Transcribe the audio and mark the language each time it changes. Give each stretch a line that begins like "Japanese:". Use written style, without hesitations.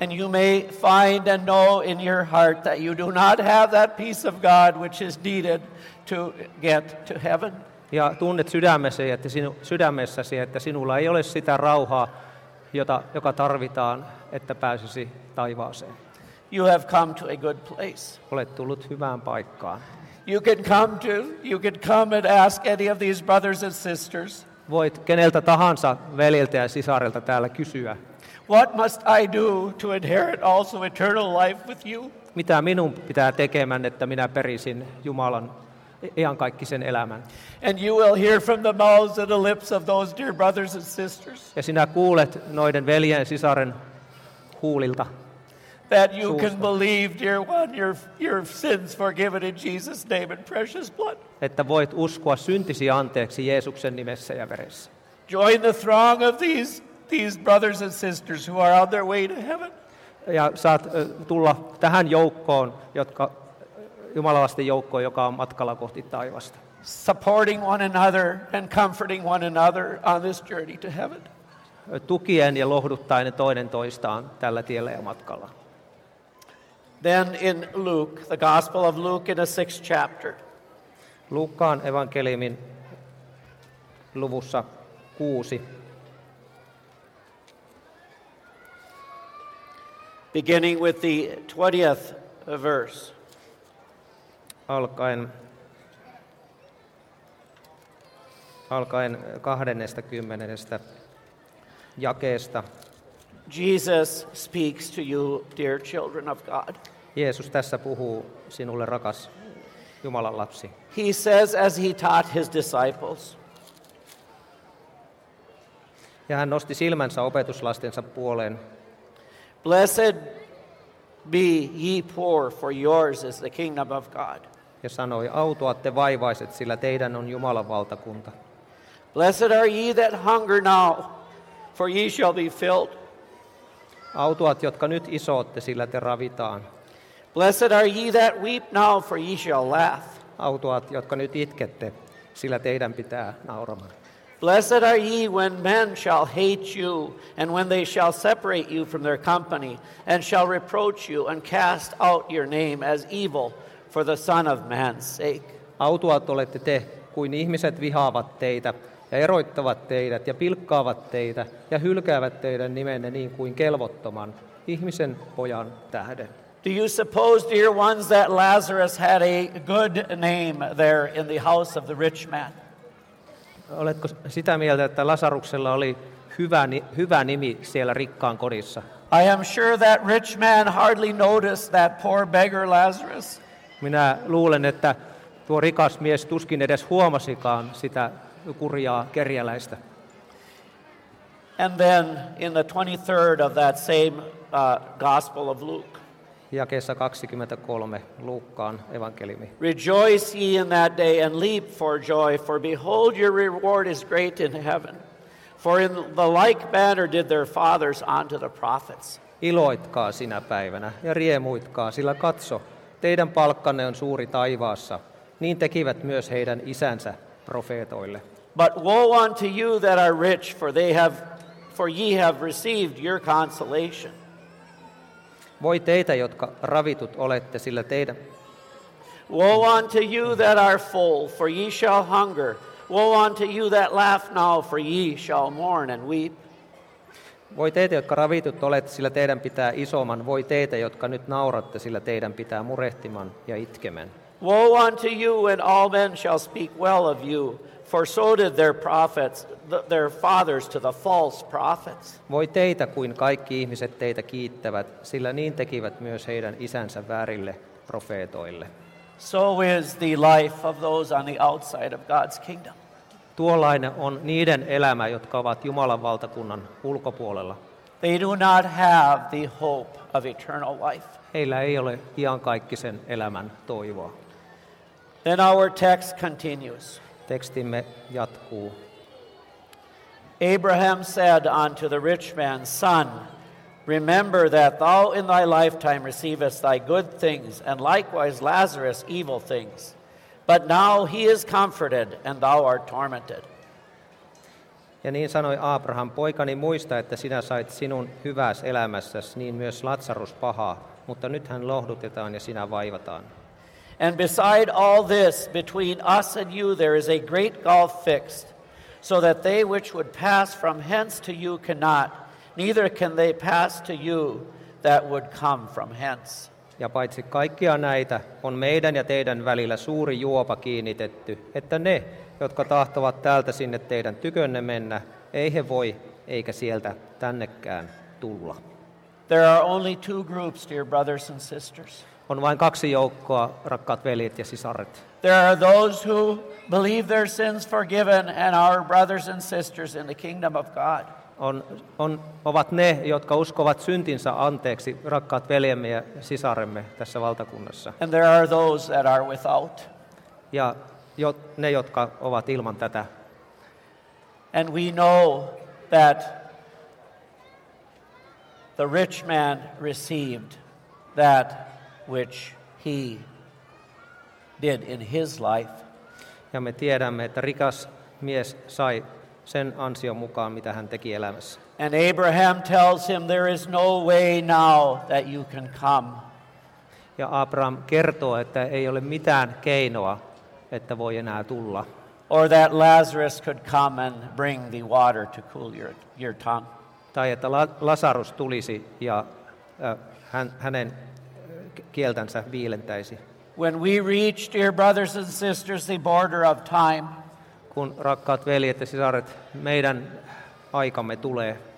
English: And you may find and know in your heart that you do not have that peace of God which is needed to get to heaven.
Finnish: Ja tunnet sydämessäsi, että sinulla ei ole sitä rauhaa, joka tarvitaan, että pääsisi taivaaseen.
English: You have come to a good place.
Finnish: Olet tullut hyvään paikkaan.
English: You can come and ask any of these brothers and sisters.
Finnish: Voit keneltä tahansa veljeltä ja sisarelta täällä kysyä.
English: What must I do to inherit also eternal life with you?
Finnish: Mitä minun pitää tekemään, että minä perisin Jumalan iankaikkisen elämän?
English: And you will hear from the mouths and the lips of those dear brothers and sisters.
Finnish: Ja sinä kuulet noiden veljen ja sisaren huulilta.
English: That you can believe, dear one, your sins forgiven in Jesus' name and precious blood.
Finnish: Että voit uskoa syntisi anteeksi Jeesuksen nimessä ja veressä.
English: Join the throng of these brothers and sisters who are on their way to heaven.
Finnish: Ja saat tulla tähän joukkoon, jotka jumalalaisten joukkoon, joka on matkalla kohti taivasta.
English: Supporting one another and comforting one another on this journey to heaven.
Finnish: Tukien ja lohduttaen toinen toistaan tällä tiellä ja matkalla.
English: Then in Luke, the Gospel of Luke in the 6th chapter.
Finnish: Luukkaan evankeliumin luvussa 6.
English: Beginning with the 20th verse.
Finnish: Alkaen 20. jakeesta.
English: Jesus speaks to you, dear children of God.
Finnish: Jeesus tässä puhuu sinulle, rakas Jumalan lapsi.
English: He says as he taught his disciples.
Finnish: Ja hän nosti silmänsä opetuslastensa puoleen.
English: Blessed be ye poor, for yours is the kingdom of God.
Finnish: Ja sanoi, autuatte vaivaiset, sillä teidän on Jumalan valtakunta.
English: Blessed are ye that hunger now, for ye shall be filled.
Finnish: Autuat, jotka nyt isootte, sillä te ravitaan.
English: Blessed are ye that weep now, for ye shall laugh.
Finnish: Autuat, jotka nyt itkette, sillä teidän pitää nauramaan.
English: Blessed are ye when men shall hate you, and when they shall separate you from their company, and shall reproach you, and cast out your name as evil for the Son of Man's sake.
Finnish: Autuat olette te, kuin ihmiset vihaavat teitä, ja eroittavat teidät, ja pilkkaavat teitä, ja hylkäävät teidän nimenne niin kuin kelvottoman ihmisen pojan tähden.
English: Do you suppose, dear ones, that Lazarus had a good name there in the house of the rich man?
Finnish: Oletko sitä mieltä, että Lazaruksella oli hyvä nimi siellä rikkaan kodissa?
English: I am sure that rich man hardly noticed that poor beggar Lazarus.
Finnish: Minä luulen, että tuo rikas mies tuskin edes huomasikaan sitä kurjaa kerjäläistä.
English: And then in the 23rd of that same Gospel of Luke.
Finnish: Jakeessa 23 Luukkaan evankeliumi.
English: Rejoice ye in that day and leap for joy, for behold your reward is great in heaven. For in the like manner did their fathers unto the prophets.
Finnish: Iloitkaa sinä päivänä ja riemuitkaa, sillä katso, teidän palkkanne on suuri taivaassa. Niin tekivät myös heidän isänsä profeetoille.
English: But woe unto you that are rich, for ye have received your consolation.
Finnish: Voi teitä, jotka ravitut olette, sillä teidän.
English: Woe unto you that are full, for ye shall hunger. Woe unto you that laugh now, for ye shall mourn and weep.
Finnish: Voi teitä, jotka ravitut olette, sillä teidän pitää isomman. Voi teitä, jotka nyt nauratte, sillä teidän pitää murehtiman ja itkemän.
English: Woe unto you, and all men shall speak well of you, for so did their prophets, their fathers to the false prophets.
Finnish: Voi teitä, kuin kaikki ihmiset teitä kiittävät, sillä niin tekivät myös heidän isänsä väärille profeetoille.
English: So is the life of those on the outside of God's kingdom.
Finnish: Tuollainen on niiden elämä, jotka ovat Jumalan valtakunnan ulkopuolella.
English: They do not have the hope of eternal life.
Finnish: Heillä ei ole iankaikkisen elämän toivoa.
English: Then our text continues.
Finnish: Tekstimme jatkuu.
English: Abraham said unto the rich man's son, remember that thou in thy lifetime receivest thy good things, and likewise Lazarus evil things. But now he is comforted, and thou art tormented.
Finnish: Ja niin sanoi Abraham, poikani muista, että sinä sait sinun hyväs elämässäsi, niin myös Lazarus pahaa, mutta nyt hän lohdutetaan ja sinä vaivataan.
English: And beside all this, between us and you, there is a great gulf fixed, so that they which would pass from hence to you cannot, neither can they pass to you that would come from hence.
Finnish: Ja paitsi kaikkia näitä, on meidän ja teidän välillä suuri juopa kiinnitetty, että ne, jotka tahtovat täältä sinne teidän tykönne mennä, ei he voi eikä sieltä tännekään tulla.
English: There are only two groups, dear brothers and sisters.
Finnish: On vain kaksi joukkoa, rakkaat veljet ja sisaret.
English: There are those who believe their sins forgiven and our brothers and sisters in the kingdom of God.
Finnish: Ovat ne, jotka uskovat syntinsä anteeksi, rakkaat veljemme ja sisaremme tässä valtakunnassa.
English: And there are those that are without.
Finnish: Ja ne, jotka ovat ilman tätä.
English: And we know that the rich man received that which he did in his life.
Finnish: Ja me tiedämme, että rikas mies sai sen ansion mukaan, mitä hän teki elämässä.
English: And Abraham tells him, there is no way now that you can come.
Finnish: Ja Abraham kertoo, että ei ole mitään keinoa, että voi enää tulla.
English: Or that Lazarus could come and bring the water to cool your tongue.
Finnish: Tai että Lazarus tulisi ja hänen kieltänsä viilentäisi.
English: When we reach, dear brothers and sisters, the border of time,
Finnish: kun rakkaat veljet ja sisaret, meidän aikamme tulee.